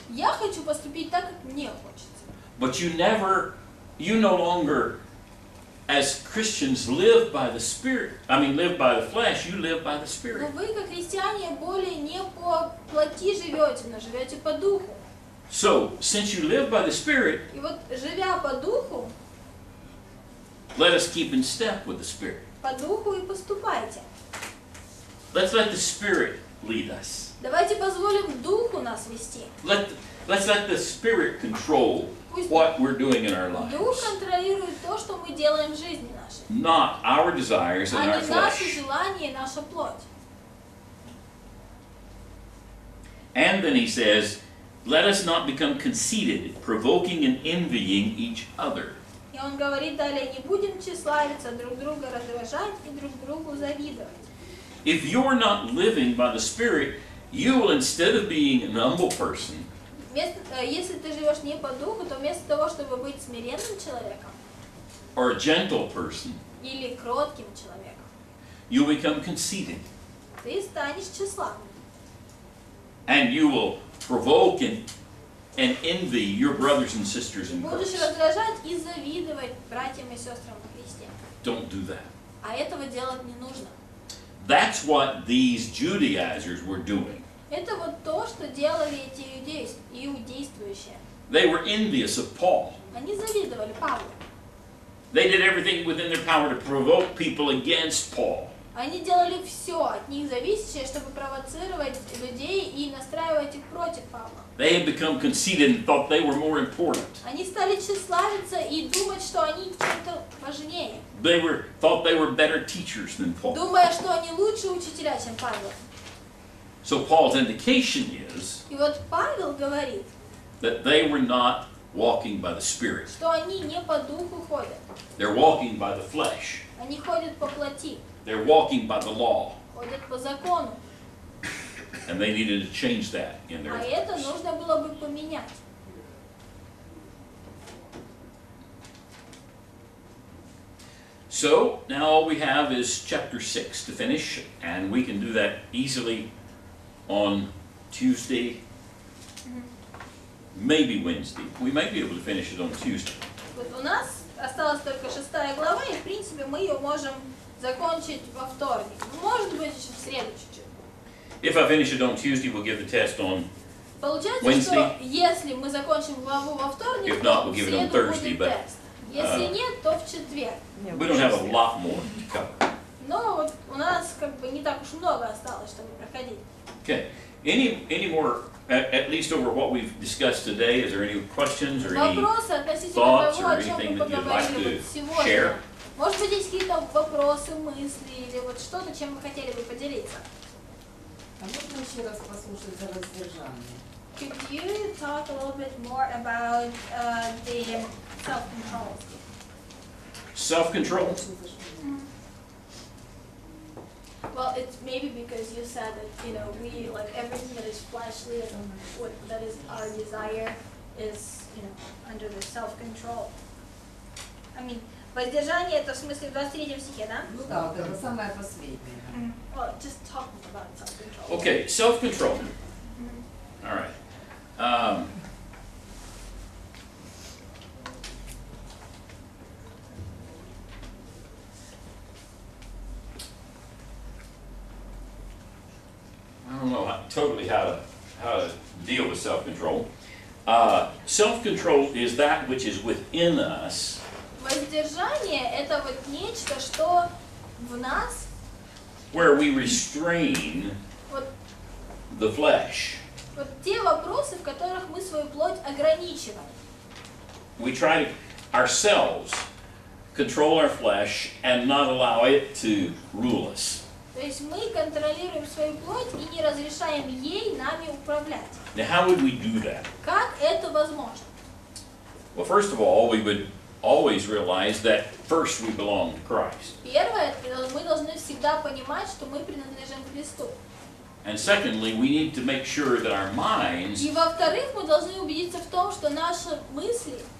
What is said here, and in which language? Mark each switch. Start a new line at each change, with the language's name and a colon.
Russian: Я хочу поступить так, как мне хочется.
English: But you never, you no longer, as Christians, live by the Spirit. I mean, live by the flesh. You live by the Spirit.
Russian: Но вы как христиане более не по плоти живете, но живете по духу.
English: So, since you live by the Spirit,
Russian: и вот живя по духу,
English: let us keep in step with the Spirit.
Russian: По духу и поступайте.
English: Let's let the Spirit lead us.
Russian: Давайте позволим духу нас вести.
English: Let's let the Spirit control what we're doing in our lives.
Russian: Дух контролирует то, что мы делаем в жизни нашей.
English: Not our desires and our flesh.
Russian: А не наши желания и наша плоть.
English: And then he says, let us not become conceited, provoking and envying each other.
Russian: И он говорит далее, не будем тщеславиться, друг друга раздражать и друг другу завидовать.
English: If you're not living by the Spirit, you will, instead of being an humble person,
Russian: если ты живешь не по духу, то вместо того, чтобы быть смиренным человеком,
English: or a gentle person,
Russian: или кротким человеком,
English: you become conceited.
Russian: Ты станешь тщеславным.
English: And you will provoke and envy your brothers and sisters in Christ.
Russian: Будешь раздражать и завидовать братьям и сестрам во Христе.
English: Don't do that.
Russian: А этого делать не нужно.
English: That's what these Judaizers were doing.
Russian: Это вот то, что делали эти иудействующие.
English: They were envious of Paul.
Russian: Они завидовали Павлу.
English: They did everything within their power to provoke people against Paul.
Russian: Они делали все от них зависящее, чтобы провоцировать людей и настраивать их против Павла.
English: They had become conceited and thought they were more important.
Russian: Они стали тщеславиться и думать, что они чем-то важнее.
English: They were thought they were better teachers than Paul.
Russian: Думая, что они лучше учителя, чем Павел.
English: So Paul's indication is,
Russian: и вот Павел говорит,
English: that they were not walking by the Spirit.
Russian: Что они не по духу ходят.
English: They're walking by the flesh.
Russian: Они ходят по плоти.
English: They're walking by the law.
Russian: Ходят по закону.
English: And they needed to change that in their lives.
Russian: А это нужно было бы поменять.
English: So now all we have is chapter 6 to finish, and we can do that easily on Tuesday, maybe Wednesday. We might be able to finish it on Tuesday.
Russian: Вот у нас осталась только шестая глава, и в принципе мы ее можем закончить во вторник. Может быть, еще в среду чуть-чуть.
English: If I finish it on Tuesday, we'll give the test on
Russian: получается,
English: Wednesday.
Russian: Что, если мы закончим главу во вторник,
English: if not, we'll give it on Thursday. But
Russian: если нет, то в четверг.
English: We don't have a lot more to cover.
Russian: Но вот у нас как бы не так уж много осталось, чтобы проходить.
English: Okay. Any more, at least over what we've discussed today, is there any questions or any thoughts or anything that you'd like to share?
Russian: Может быть, есть какие-то вопросы, мысли или вот что-то, чем вы хотели бы поделиться? А можно еще раз послушать за воздержание?
English: Could you talk a little bit more about the self-control? Self-control? Well, it's maybe because you said that, you know, we, like, everything that is fleshly and what that is our desire is, you know, under the self-control. I mean,
Russian: воздержание — это в смысле в 23 стихе, да? Ну да, вот это самое последнее.
English: Well, just talk about self-control. Okay, self-control. All right. I don't know how to deal with self-control. Self-control is that which is within us.
Russian: Воздержание — это вот нечто, что в нас.
English: Where we restrain the flesh.
Russian: Вот те вопросы, в которых мы свою плоть ограничиваем.
English: We try to ourselves control our flesh and not allow it to rule us.
Russian: То есть мы контролируем свою плоть и не разрешаем ей нами управлять.
English: Now how would we do that?
Russian: Как это возможно?
English: Well, first of all, we would always realize that first we belong to Christ.
Russian: Первое, мы должны всегда понимать, что мы принадлежим Христу.
English: And secondly, we need to make sure that our minds.
Russian: И во-вторых, мы должны убедиться в том, что наши мысли